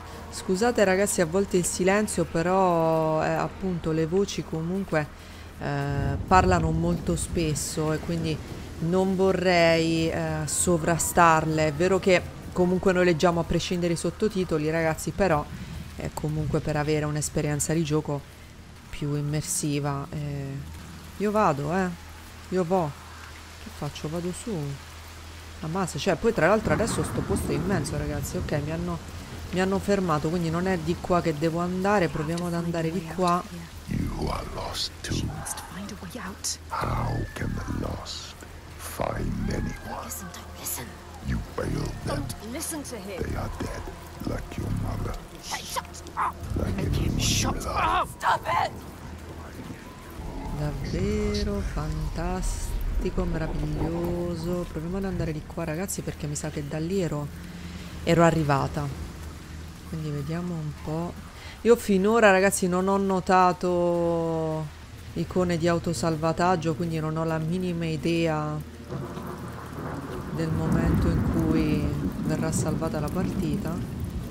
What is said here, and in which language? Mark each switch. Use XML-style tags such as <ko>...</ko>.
<it>Scusate ragazzi, a volte il silenzio, però appunto le voci comunque parlano molto spesso e quindi non vorrei sovrastarle. È vero che comunque noi leggiamo a prescindere i sottotitoli, ragazzi, però è comunque per avere un'esperienza di gioco più immersiva. Io vado, io vo. Che faccio? Vado su. Ammazza, cioè poi tra l'altro adesso sto posto è immenso, ragazzi. Ok, mi hanno fermato, quindi non è di qua che devo andare. Proviamo ad andare di qua.</it> <en>You are lost too. She must find a way out. How can the lost find anyone? Listen, don't listen. You failed them. Don't listen to him. They are dead, like your mother. Hey, shut up! Like him, shut up! Stop it!</en> <it>Davvero fantastico, meraviglioso. Proviamo ad andare di qua, ragazzi, perché mi sa che da lì ero arrivata. Quindi vediamo un po'. Io finora, ragazzi, non ho notato icone di autosalvataggio, quindi non ho la minima idea del momento in cui verrà salvata la partita.</it>